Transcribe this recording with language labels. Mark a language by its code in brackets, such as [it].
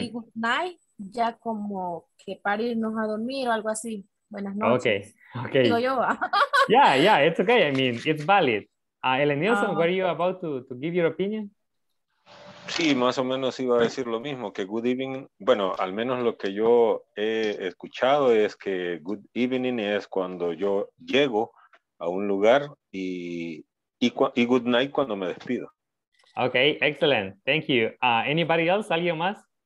[es] Y [en] good night [es] ya como que para irnos a dormir o algo así. Buenas noches. [en] Okay. [es] Digo yo. [en] Yeah, yeah, it's okay. I mean, it's valid. Ellen Nielsen, what are you about to give your opinion? [es] Sí, más o menos iba a decir lo mismo, que [en] good evening, [es] bueno, al menos lo que yo he escuchado es que [en] good evening [es] es cuando yo llego a un lugar y [en] good night [es] cuando me despido. [en] Okay, excellent. Thank you. Anybody else? [es] ¿Alguien más?